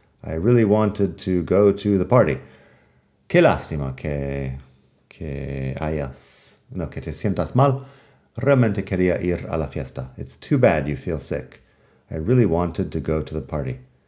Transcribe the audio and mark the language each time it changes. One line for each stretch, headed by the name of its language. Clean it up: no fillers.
English: I really wanted to go to the party.
Spanish: Qué lástima que hayas, no, que te sientas mal. Realmente quería ir a la fiesta.
English: It's too bad you feel sick. I really wanted to go to the party.